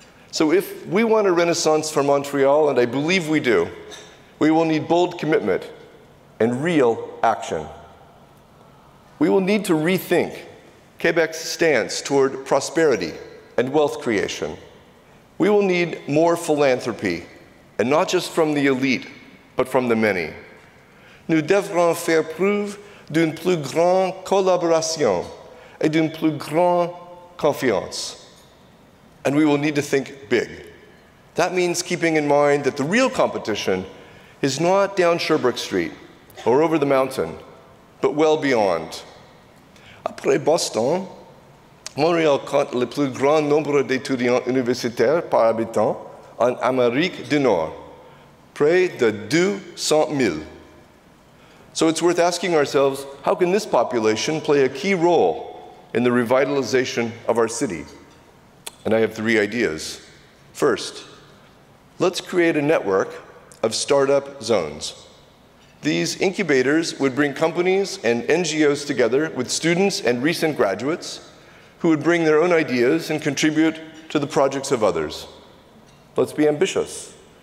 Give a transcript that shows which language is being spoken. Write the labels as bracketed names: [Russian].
[English] So if we want a renaissance for Montreal, and I believe we do, we will need bold commitment and real action. We will need to rethink Quebec's stance toward prosperity and wealth creation. We will need more philanthropy, and not just from the elite, but from the many. [French] Nous devrons faire preuve d'une plus grande collaboration et d'une plus grande confiance. [English] And we will need to think big. That means keeping in mind that the real competition is not down Sherbrooke Street or over the mountain, but well beyond. [French] Après Boston, Montréal compte le plus grand nombre d'étudiants universitaires par habitant en Amérique du Nord, près de 200 000. [English] So it's worth asking ourselves, how can this population play a key role in the revitalization of our city? And I have three ideas. First, let's create a network of startup zones. These incubators would bring companies and NGOs together with students and recent graduates who would bring their own ideas and contribute to the projects of others. Let's be ambitious.